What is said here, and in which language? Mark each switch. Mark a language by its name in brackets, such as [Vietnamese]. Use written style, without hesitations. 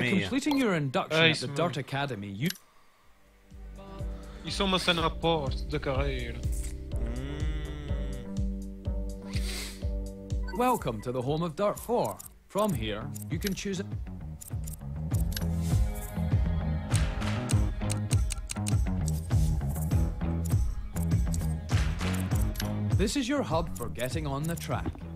[English] By completing your induction at the Dirt Academy, you... [Portuguese] Isso é uma cena à porta da carreira. [English] Welcome to the home of Dirt 4. From here, you can choose... A... This is your hub for getting on the track.